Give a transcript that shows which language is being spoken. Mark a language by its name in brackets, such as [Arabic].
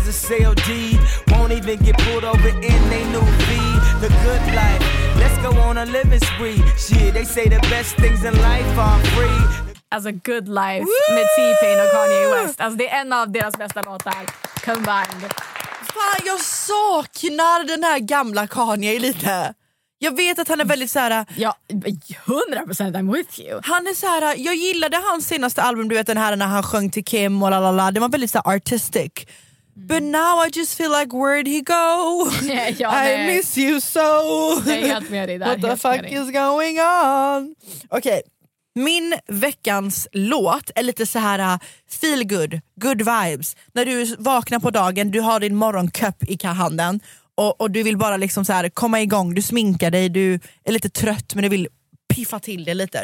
[English] JLD won't even get pulled over in they new V. The good life, let's go on a living spree. Shit, they say the best things in life are free. As a good life. Woo! [Swedish] Med T-Pain och Kanye West. Alltså det är en av deras bästa låtar combined. Fan, jag saknar den här gamla Kanye lite. Jag vet att han är väldigt så här. [English] Ja, 100% I'm with you. [Swedish] Han är så här. Jag gillade hans senaste album, du vet den här när han sjöng till Kim och lalala. Det var väldigt så artistic. [English] But now I just feel like, where'd he go? I miss you so. What the fuck is going on? [Swedish] Okej, min veckans låt är lite så här [English] feel good, good vibes. [Swedish] När du vaknar på dagen, du har din morgonkopp i handen och du vill bara liksom så här komma igång. Du sminkar dig, du är lite trött men du vill piffa till det lite.